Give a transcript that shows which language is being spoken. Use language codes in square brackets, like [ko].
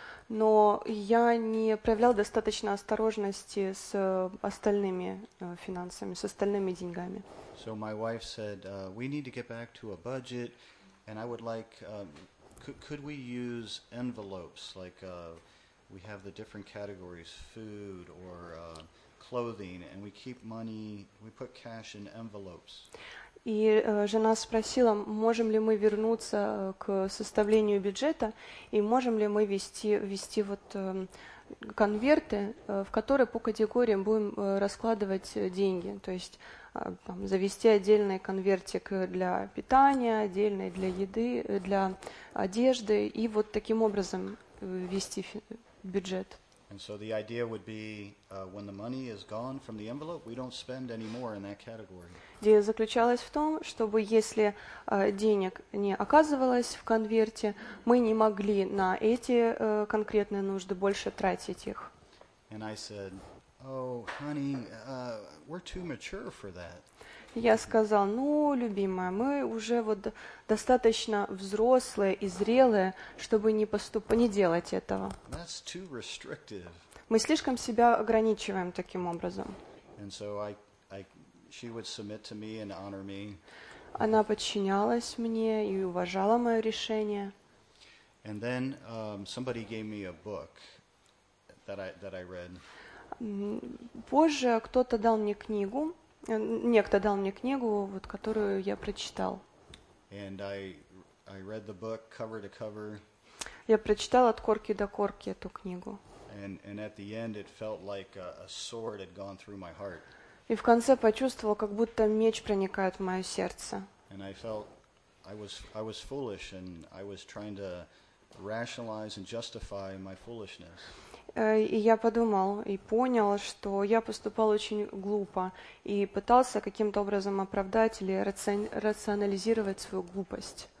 [ru] Но я не проявлял достаточно осторожности с остальными финансами, с остальными деньгами. [en] So my wife said, we need to get back to a budget, and I would like, could we use envelopes, like we have the different categories, food or clothing, and we keep money, we put cash in envelopes. [ru] И жена спросила, можем ли мы вернуться к составлению бюджета и можем ли мы вести вот конверты, в которые по категориям будем раскладывать деньги, то есть там, завести отдельный конвертик для питания, отдельный для еды, для одежды и вот таким образом вести бюджет. [en] And so the idea would be, when the money is gone from the envelope, we don't spend any more in that category. [ru] Идея заключалась в том, чтобы если денег не оказывалось в конверте, мы не могли на эти конкретные нужды больше тратить их. [en] And I said, "Oh, honey, we're too mature for that." [ru] Я сказал, ну, любимая, мы уже вот достаточно взрослые и зрелые, чтобы не делать этого. [en] That's too restrictive. [ru] Мы слишком себя ограничиваем таким образом. [en] And so she would submit to me and honor me. [ru] Она подчинялась мне и уважала мое решение. [en] And then somebody gave me a book that I read. [ru] Позже кто-то дал мне книгу. Некто дал мне книгу, вот, которую я прочитал. [en] And I read the book cover to cover. [ru] Я прочитал от корки до корки эту книгу. [en] And at the end it felt like a sword had gone through my heart. [ru] И в конце почувствовал, как будто меч проникает в мое сердце. [en] And I felt I was foolish and I was trying to rationalize and justify my foolishness. [ru] И я подумал и понял, что я поступал очень глупо и пытался каким-то образом оправдать или рационализировать свою глупость.